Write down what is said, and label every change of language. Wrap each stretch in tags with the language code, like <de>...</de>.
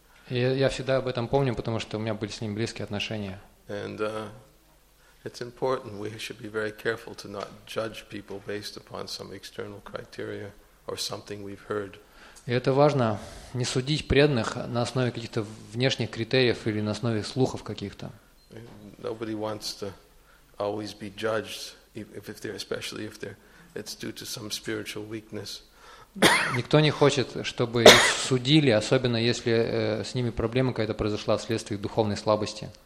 <ru>И я всегда об этом помню, потому что у меня были с ним близкие отношения.</ru> <en>And it's important, we should be very careful to not judge people based upon some external criteria or something we've heard.</en> <ru>И это важно, не судить преданных на основе каких-то внешних критериев или на основе слухов каких-то.</ru> <en>Nobody wants to always be judged, especially if they're it's due to some spiritual weakness.</en> <ru>Никто не хочет, чтобы их судили, особенно если с ними проблема какая-то произошла вследствие духовной слабости.</ru>